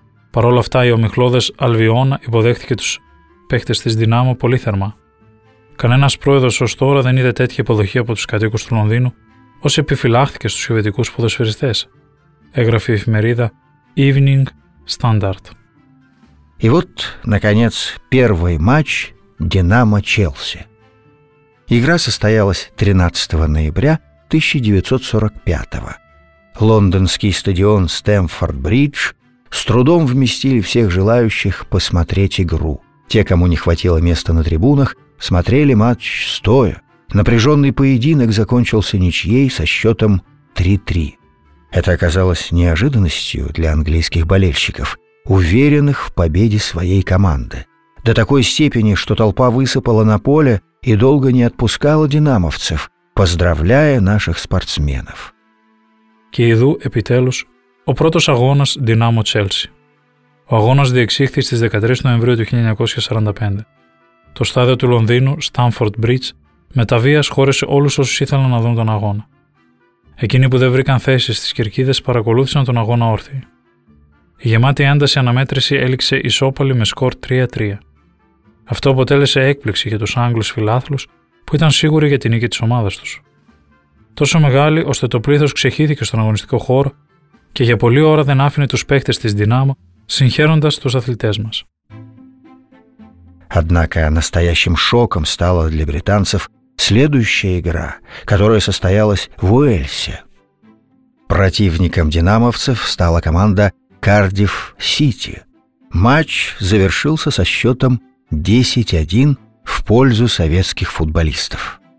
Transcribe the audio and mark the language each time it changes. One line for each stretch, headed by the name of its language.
Greek: Παρ' όλα αυτά, η ομιχλώδες Αλβιώνα υποδέχτηκε τους παίχτες της Δυνάμω πολύ θερμά. Κανένας πρόεδρος ως τώρα δεν είδε τέτοια υποδοχή από τους κατοίκους του Λονδίνου όσο επιφυλάχθηκε στους σοβιετικούς ποδοσφαιριστές, έγραφε η εφημερίδα Evening Standard.
Russian: И вот, наконец, первый матч Динамо-Челси. Игра состоялась 13 ноября 1945-го. Лондонский стадион Стэмфорд-Бридж с трудом вместили всех желающих посмотреть игру. Те, кому не хватило места на трибунах, смотрели матч стоя. Напряженный поединок закончился ничьей со счетом 3-3. Это оказалось неожиданностью для английских болельщиков, уверенных в победе своей команды. До такой степени, что толпа высыпала на поле и долго не отпускала динамовцев, поздравляя наших спортсменов.
Greek: Και εδώ, επιτέλους, ο πρώτος αγώνας Динамо-Челси. Ο αγώνας διεξήχθη στις 13 Νοεμβρίου του 1945. Το στάδιο του Λονδίνου, Stamford Bridge, με τα βίας χώρεσε όλους όσους ήθελαν να δουν τον αγώνα. Εκείνοι που δεν βρήκαν θέσεις στις κερκίδες παρακολούθησαν τον αγώνα όρθιοι. Η γεμάτη ένταση αναμέτρηση έληξε ισόπαλη με σκορ 3-3. Αυτό αποτέλεσε έκπληξη για τους Άγγλους φιλάθλους που ήταν σίγουροι για την νίκη της ομάδας τους. Τόσο μεγάλη, ώστε το πλήθος ξεχύθηκε στον αγωνιστικό χώρο και για πολλή ώρα δεν άφηνε τους παίχτες της Δυνάμω, συγχαίροντας τους αθλητές μας.
Russian: Однако настоящим шоком стало для британцев следующая игра, которая состоялась в Уэльсе. Противником динамовцев стала команда «Кардифф-Сити». Матч завершился со счетом 10-1 в пользу советских футболистов.